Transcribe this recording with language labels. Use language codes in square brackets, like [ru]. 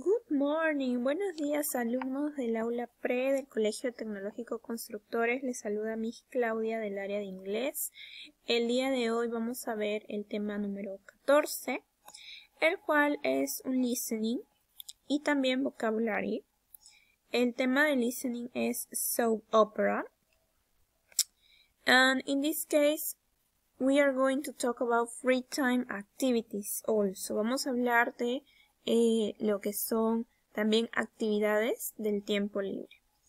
[en] Morning, [es] buenos días alumnos del aula pre del Colegio Tecnológico Constructores. Les saluda Miss Claudia del área de inglés. El día de hoy vamos a ver el tema número 14, el cual es un listening y también vocabulary. El tema de listening es soap opera. [en] And in this case, we are going to talk about free time activities also. [es] Vamos a hablar de lo que son también actividades del tiempo libre.